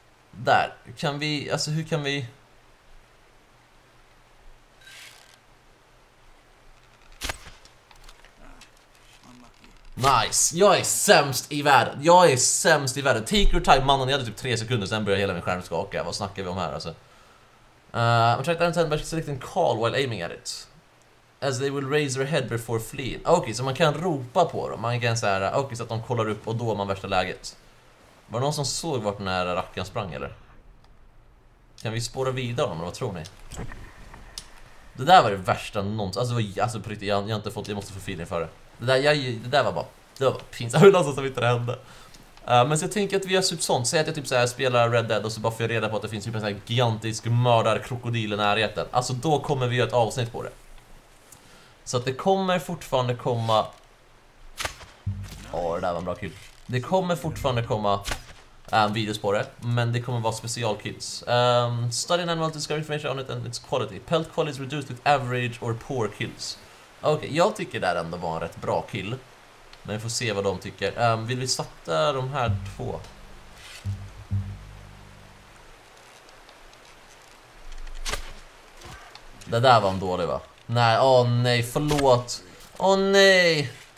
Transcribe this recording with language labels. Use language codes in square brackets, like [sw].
[sv] Där, kan vi, alltså hur kan vi... Nice, jag är sämst i världen. [en] Take your time, [sv] mannen, jag hade typ 3 sekunder, sen började hela min skärm skaka. Vad snackar vi om här, alltså? [en] I'm trying to understand, but select a call while aiming at it. As they will raise their head before fleeing. [sv] Okej, så man kan ropa på dem, man kan säga, okej, så att de kollar upp och då man värsta läget. Var det någon som såg vart den här rackan sprang, eller? Kan vi spåra vidare om det, vad tror ni? Det där var det värsta någonsin. Alltså på riktigt, jag har inte fått, jag måste få feeling för det. Det där var bara pinsamt. Hur låtsas att det inte hände? Men så jag tänker att vi gör typ sånt. Säg att jag typ så här spelar Red Dead och så bara får jag reda på att det finns typ en sån här gigantisk mördarkrokodil i närheten. Alltså då kommer vi göra ett avsnitt på det. Så att det kommer fortfarande komma... Åh, det där var en bra kill. Det kommer fortfarande komma videos på det, men det kommer vara specialkills. [en] Study an animal to discover information on it and its quality. Pelt quality is reduced with average or poor kills. [sv] Okej, okay, jag tycker det ändå var en rätt bra kill. Men vi får se vad de tycker. Vill vi starta de här två? Det där var en dålig, va? Nej, åh nej, förlåt. Åh nej!